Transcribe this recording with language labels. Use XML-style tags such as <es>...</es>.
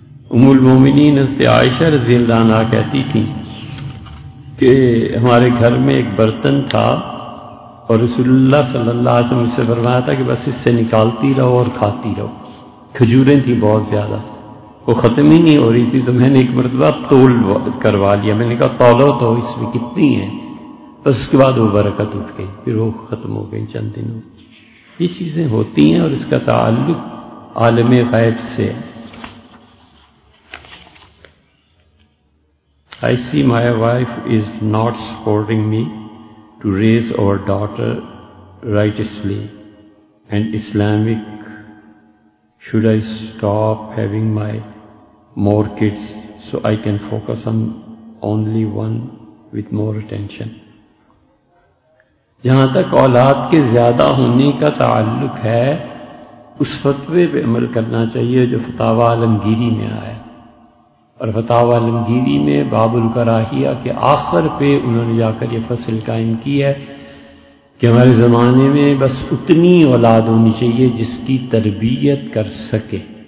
<ur>ام المومنین حضرت عائشہ رضی اللہ عنہ کہتی تھی کہ ہمارے گھر میں ایک برتن تھا اور رسول اللہ صلی اللہ علیہ وسلم سے فرمایا تھا کہ بس اس سے نکالتی رہو اور کھاتی رہو، کھجوریں تھیں بہت زیادہ، وہ ختم ہی نہیں ہو رہی تھی. تو میں نے ایک مرتبہ تول کروا لیا، میں نے کہا تولو تو اس میں کتنی ہے، بس اس کے بعد وہ برکت اٹھ گئی، پھر وہ ختم ہو گئی چند دنوں. یہ چیزیں ہوتی ہیں اور اس کا تعلق عالم غیب سے.</ur> <en>I see my wife is not supporting me to raise our daughter righteously and Islamic. Should I stop having my more kids so I can focus on only one with more attention?</en> <ur>جہاں تک اولاد کے زیادہ ہونے کا تعلق ہے، اس فتوے پہ عمل کرنا چاہیے جو فتاوی عالمگیری میں آیا، اور فتاوی عالمگیری میں باب الکراہیہ کے آخر پہ انہوں نے جا کر یہ فصل قائم کی ہے کہ ہمارے زمانے میں بس اتنی اولاد ہونی چاہیے جس کی تربیت کر سکے.</ur>